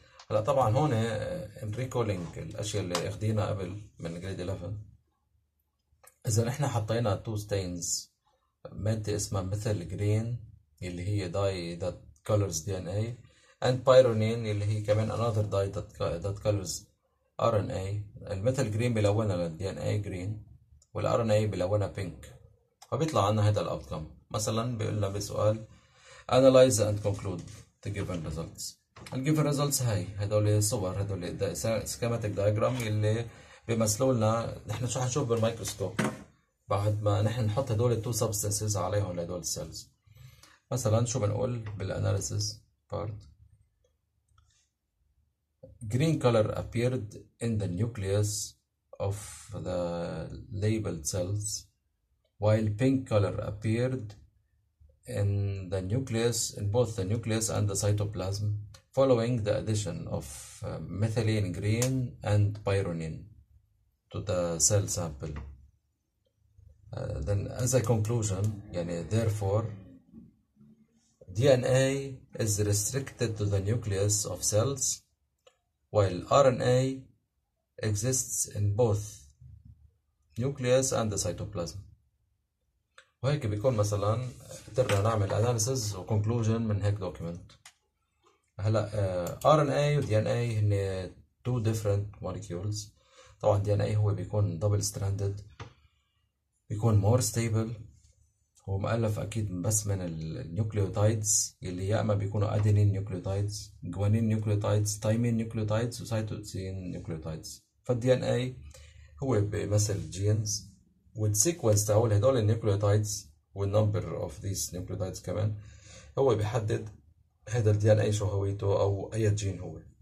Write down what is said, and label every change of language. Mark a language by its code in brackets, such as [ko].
[ar] هلا طبعا هون ريكولينج الاشياء اللي اخذينا قبل من جريد 11 إذا إحنا حطينا [en] two stains [ar] مادة اسمها ميثيل جرين اللي هي [en] dye that colors DNA and pyrrolidine [ar] اللي هي كمان [en] another dye that colors RNA. [ar] الميثيل جرين بيلونها لل DNA green وال RNA بيلونها pink، فبيطلع عنا هذا ال outcome. مثلا بيقول لنا بسؤال [en] analyze and conclude the given results. [ar] ال given results هاي هدول صور، هدول schematic diagram اللي بيمثلوا لنا نحن شو حنشوف بالمايكروسكوب بعد ما نحن نحط هدول التو سبستنسز عليهم لهدول السيلز. مثلا شو بنقول بالاناليسيس بارت، [en] green color appeared in the nucleus of the labeled cells while pink color appeared in the nucleus in both the nucleus and the cytoplasm following the addition of methylene green and pyrrolidine to the cell sample. Then as a conclusion, [ar] يعني [en] therefore, DNA is restricted to the nucleus of cells, while RNA exists in both nucleus and the cytoplasm. [ar] وهيك بيكون مثلا قدرنا نعمل analysis و conclusion من هيك document. هلا RNA و DNA هن [en] two different molecules. [ar] طبعا DNA هو بيكون [en] double stranded، [ar] بيكون [en] more stable، [ar] هو مؤلف اكيد بس من النيوكليوتيدز اللي يا اما بيكونوا ادينين نيوكليوتيدز، جوانين نيوكليوتيدز، تايمين نيوكليوتيدز، وسيتوسين نيوكليوتيدز. فالدي ان اي هو بيمثل جينز، والسيكونس تاعول هدول النيوكليوتيدز والنمبر اوف ذيس نيوكليوتيدز كمان هو بيحدد هذا الدي ان اي شو هويته او اي جين هو.